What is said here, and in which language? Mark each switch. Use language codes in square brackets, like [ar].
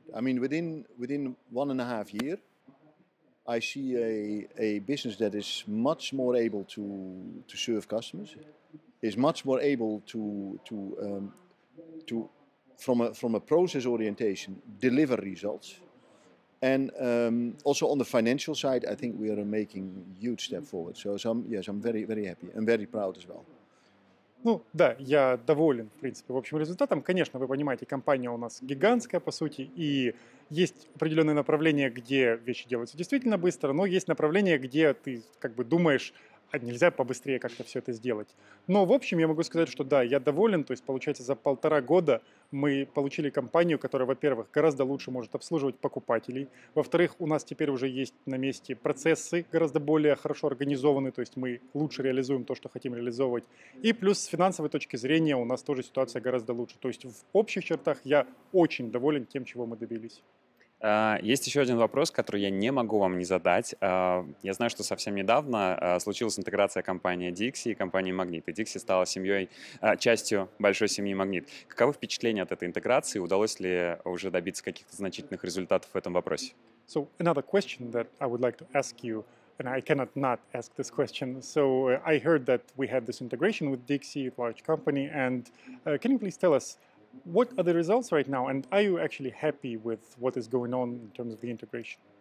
[en] I mean, within 1.5 years, I see a business that is much more able to serve customers, is much more able to from a process orientation, deliver results. And also on the financial side, I think we are making a huge step forward. So I'm very, very happy and very proud as well. [ru] Ну да, я доволен, в принципе, в общем результатом. Конечно, вы понимаете, компания у нас гигантская, по сути, и есть определенные направления, где вещи делаются действительно быстро, но есть направления, где ты как бы думаешь, а нельзя побыстрее как-то все это сделать. Но, в общем, я могу сказать, что да, я доволен. То есть, получается, за 1.5 года мы получили компанию, которая, во-первых, гораздо лучше может обслуживать покупателей. Во-вторых, у нас теперь уже есть на месте процессы гораздо более хорошо организованы. То есть, мы лучше реализуем то, что хотим реализовывать. И плюс, с финансовой точки зрения, у нас тоже ситуация гораздо лучше. То есть, в общих чертах я очень доволен тем, чего мы добились. Есть еще один вопрос, который я не могу вам не задать. Я знаю, что совсем недавно случилась интеграция компании Dixie и компании Magnit. И Dixie стала семьей, частью большой семьи Magnit. Каковы впечатления от этой интеграции? Удалось ли уже добиться каких-то значительных результатов в этом вопросе? [en] So, another question that I would like to ask you, and I cannot not ask this question. So, I heard that we had this integration with Dixie, large company, and can you please tell us, what are the results right now, and are you actually happy with what is going on in terms of the integration?